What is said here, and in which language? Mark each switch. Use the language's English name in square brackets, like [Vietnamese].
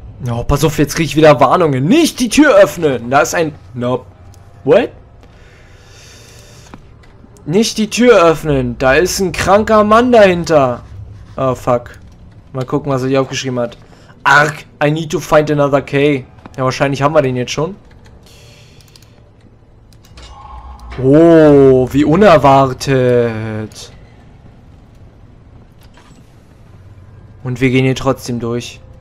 [German] Oh, pass auf, jetzt krieg ich wieder Warnungen. Nicht die Tür öffnen! Da ist ein... Nope. What? Nicht die Tür öffnen. Da ist ein kranker Mann dahinter. Oh, fuck. Mal gucken, was er hier aufgeschrieben hat. [English] Arg, I need to find another key. [German] Ja, wahrscheinlich haben wir den jetzt schon. Oh, wie unerwartet. Und wir gehen hier trotzdem durch.